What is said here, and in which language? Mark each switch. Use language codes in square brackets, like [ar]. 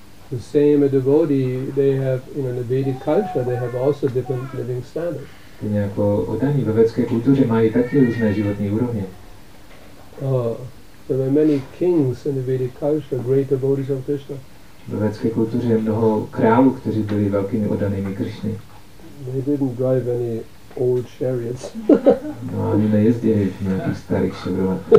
[en] The same a devotee, they have, you know, in a Vedic culture, they have also different living standards. [cs] Ty nějako oddaní ve vedské kultuře mají taky různé životní úrovně. [en] There were many kings in the Vedic culture, great devotees of Krishna. [cs] Ve vedské kultuře je mnoho králů, kteří byli velkými oddanými Krishny. [en] They didn't drive any old chariots. [cs] No, oni nejezdili v nějakých starých Chevrolet.